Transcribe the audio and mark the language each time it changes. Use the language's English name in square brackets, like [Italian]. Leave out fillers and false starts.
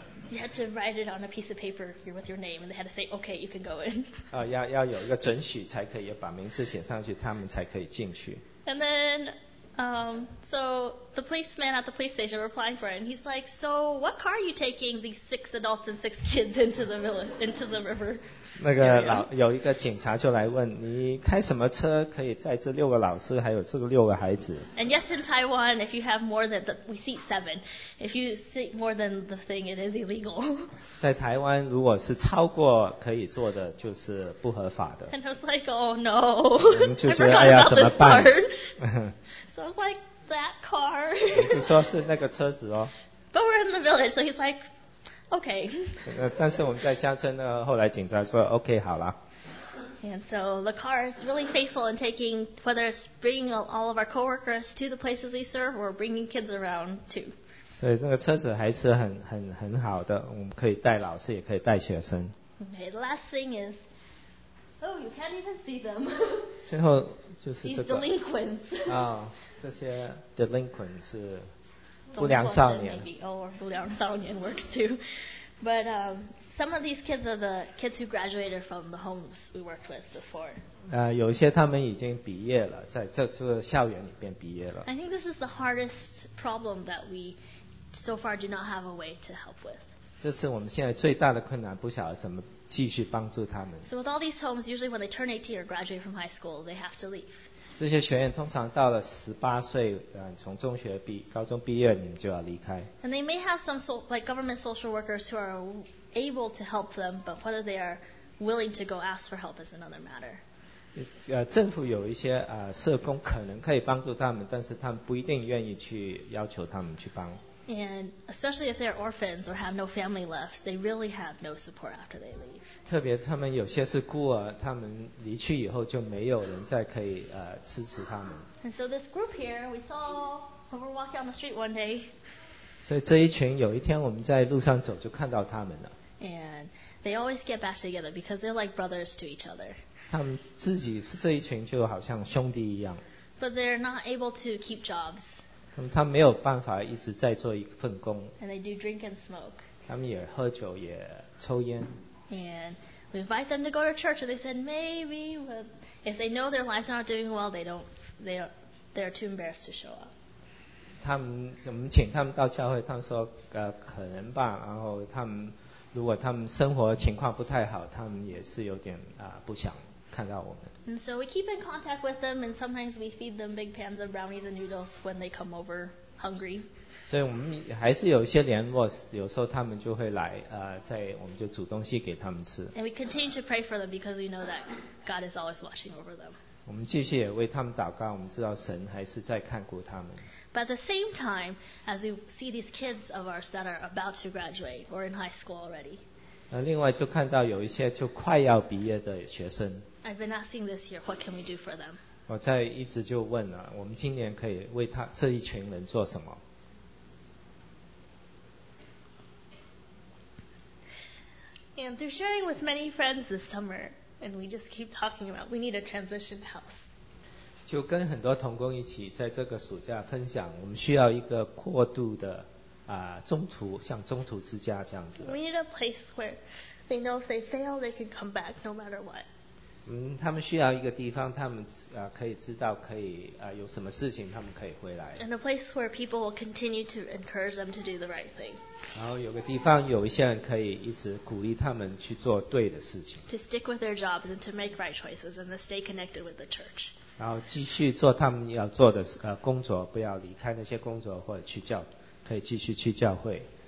[English] You had to write it on a piece of paper with your name, and they had to say, "Okay, you can go in." [Chinese] 要有一个准许才可以，要把名字写上去，他们才可以进去。 [English] And then. So the policeman at the police station we're applying for it, and he's like, so what car are you taking these six adults and six kids into the village, into the river? [Chinese] 那个老有一个警察就来问你开什么车可以载这六个老师还有这个六个孩子 [English] And yes, in Taiwan, if you have more than we seat seven, if you seat more than the thing, it is illegal. [Chinese] 在台湾如果是超过可以坐的就是不合法的 [English] And I was like, oh no, I forgot about this part. So I was like, that car. [Chinese] 就说是那个车子哦 [English] But we're in the village, so he's like, OK. [Chinese] 但是我们在乡村呢，后来警察说 OK 好了。 [English] And so the car is really faithful in taking, whether it's bringing all of our coworkers to the places we serve or bringing kids around too. [Chinese] 所以那个车子还是很好的，我们可以带老师，也可以带学生。 [English] Okay, the last thing is, oh, you can't even see them. [Chinese] 最后就是、这个、 [English] These delinquents. [Chinese] 啊、哦，这些 delinquent 是不良少年。 [English] Oh, 不良少年 works too, but. Some of these kids are the kids who graduated from the homes we worked with before. [Chinese] 有些他们已经毕业了，在这座校园里边毕业了。 [English] I think this is the hardest problem that we so far do not have a way to help with. [Chinese] 这是我们现在最大的困难，不晓得怎么继续帮助他们。 [English] So with all these homes, usually when they turn 18 or graduate from high school, they have to leave. [Chinese] 这些学员通常到了18岁，从中学毕高中毕业，你们就要离开。 [English] And they may have some like government social workers who are. Able to help them, but whether they are willing to go ask for help is another matter. [Chinese] 政府有一些社工可能可以帮助他们，但是他们不一定愿意去要求他们去帮。 [English] And especially if they are orphans or have no family left, they really have no support after they leave. [Chinese] 特别他们有些是孤儿，他们离去以后就没有人再可以支持他们。 [English] And so this group here, we saw when we were walking down the street one day. [Chinese] 所以这一群有一天我们在路上走就看到他们了。 [English] And they always get back together because they're like brothers to each other. [Chinese] 他们自己是这一群就好像兄弟一样。 [English] But they're not able to keep jobs. [Chinese] 他们没有办法一直在做一份工。 [English] And they do drink and smoke. [Chinese] 他们也喝酒也抽烟。 [English] And we invite them to go to church and they said maybe but if they know their lives aren't doing well they're too embarrassed to show up. [Chinese] 他们我们请他们到教会，他们说可能吧。然后他们如果他们生活情况不太好，他们也是有点不想看到我们。 [English] And so we keep in contact with them, and sometimes we feed them big pans of brownies and noodles when they come over hungry. [Chinese] 所以我们还是有一些联络，有时候他们就会来在我们就煮东西给他们吃。 [English] And we continue to pray for them because we know that God is always watching over them. [Chinese] 我们继续也为他们祷告，我们知道神还是在看顾他们。 [English] But at the same time, as we see these kids of ours that are about to graduate or in high school already, [Chinese] 另外就看到有一些就快要毕业的学生。 [English] I've been asking this year, what can we do for them? [Chinese] 我在一直就问了，我们今年可以为他这一群人做什么？ [English] And through sharing with many friends this summer. And we just keep talking about we need a transition house. [Chinese] 就跟很多同工一起在这个暑假分享，我们需要一个过渡的中途，像中途之家这样子。 [English] We need a place where they know if they fail, they can come back no matter what. [Chinese] 他们需要一个地方，他们可以知道可以有什么事情他们可以回来。 [English] And a place where people will continue to encourage them to do the right thing. [Chinese] 然后有个地方有一些人可以一直鼓励他们去做对的事情。 [English] To stick with their jobs and to make right choices and to stay connected with the church. [Chinese] 然后继续做他们要做的工作，不要离开那些工作或者去教，可以继续去教会。